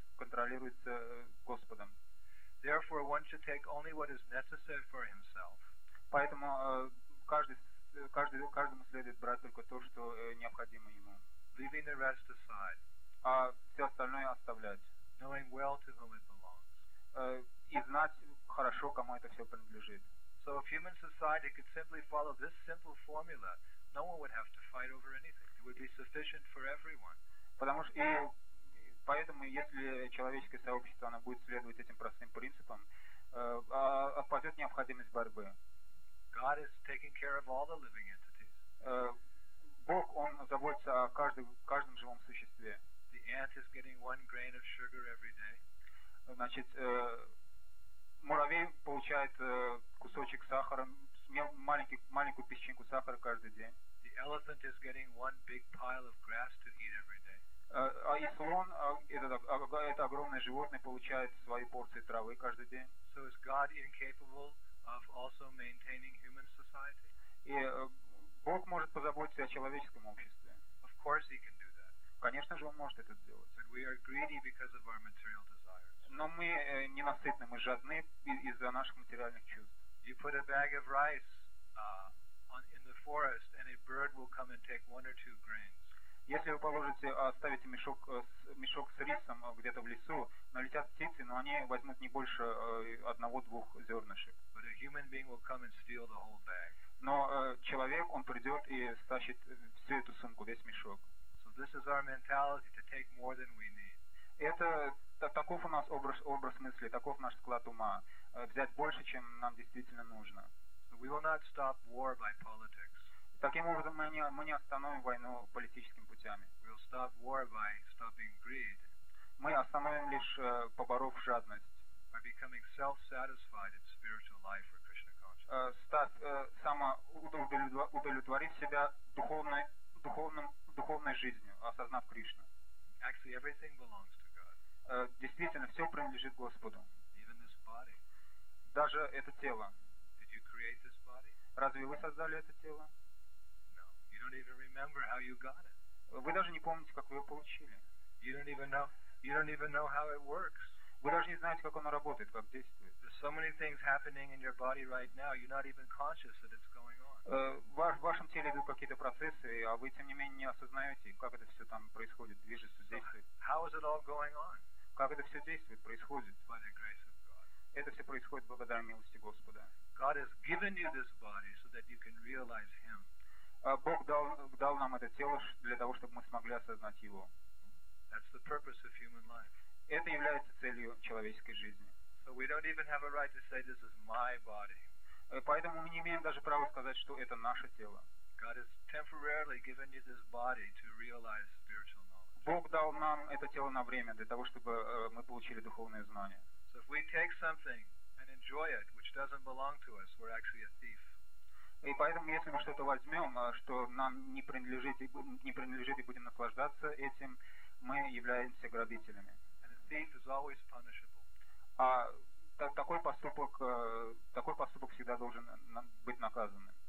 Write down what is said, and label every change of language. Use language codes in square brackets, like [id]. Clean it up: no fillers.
[en] Therefore, one should take only what is necessary for himself. [ru] Поэтому каждому следует брать только то, что необходимо ему. [en] Leaving the rest aside. [ru] А все остальное оставлять. [en] Knowing well to whom it belongs. [ru] И знать хорошо, кому это все принадлежит. [en] So if human society could simply follow this simple formula, no one would have to fight over anything. It would be sufficient for everyone. [ru] Потому что Поэтому, если человеческое сообщество оно будет следовать этим простым принципам, отпадет необходимость борьбы. [en] God is taking care of all the living entities. [ru] Бог, Он заботится о каждом живом существе. [en] The ant is getting one grain of sugar every day. [ru] Значит, муравей получает кусочек сахара, маленькую песчинку сахара каждый день. [en] The elephant is getting one big pile of grass to eat every day. [ru] И слон, это огромное животное, получает свои порции травы каждый день. [en] So is God incapable of also maintaining human society? [ru] И Бог может позаботиться о человеческом обществе. [en] Of course he can do that. [ru] Конечно же, Он может это сделать. [en] But we are greedy because of our material desires. [ru] Но мы ненасытны, мы жадны из-за наших материальных чувств. [en] You put a bag of rice in the forest, and a bird will come and take one or two grains. [ru] Если вы оставите мешок с рисом где-то в лесу, налетят птицы, но они возьмут не больше одного-двух зернышек. [en] But a human being will come and steal the whole bag. [ru] Но человек, он придет и стащит всю эту сумку, весь мешок. [en] So this is our mentality, to take more than we need. [ru] Это таков у нас образ мысли, таков наш склад ума. Взять больше, чем нам действительно нужно. [en] So we will not stop war by politics. [ru] Таким образом, мы не остановим войну политическими путями. [en] We'll stop war by stopping greed. [ru] Мы остановим лишь, поборов жадность. [en] By becoming self-satisfied in spiritual life for Krishna consciousness. [ru] Самоудовлетворив себя духовной жизнью, осознав Кришну. [en] Actually, everything belongs to God. [ru] Действительно, все принадлежит Господу. [en] Even this body. [ru] Даже это тело. [en] Did you create this body? [ru] Разве вы создали это тело? [en] You don't even remember how you got it. [ru] Вы даже не помните, как вы его получили. [en] You don't even know how it works. [ru] Вы даже не знаете, как оно работает, как действует. [en] The so many things happening in your body right now, you're not even conscious that it's going on. [ru] В вашем теле идут какие-то процессы, а вы тем не менее не осознаете, как это все там происходит, движется, действует. [en] How is it all going on? [ru] Как это все действует, происходит? [en] By the grace of God. [ru] Это все происходит благодаря милости Господа. [en] God has given you this body so that you can realize Him. [ru] Бог дал нам это тело для того, чтобы мы смогли осознать Его. [en] That's the purpose of human life. [ru] Это является целью человеческой жизни. [en] So we don't even have a right to say this is my body. [ru] Поэтому мы не имеем даже права сказать, что это наше тело. [en] God has temporarily given you this body to realize spiritual knowledge. [ru] Бог дал нам это тело на время для того, чтобы мы получили духовное знание. [en] So if we take something and enjoy it, which doesn't belong to us, we're actually a thief. [ru] И поэтому, если мы что-то возьмем, что нам не принадлежит и будем наслаждаться этим, мы являемся грабителями. [en] Thief is always punishable. [ru] А такой поступок всегда должен быть наказанным.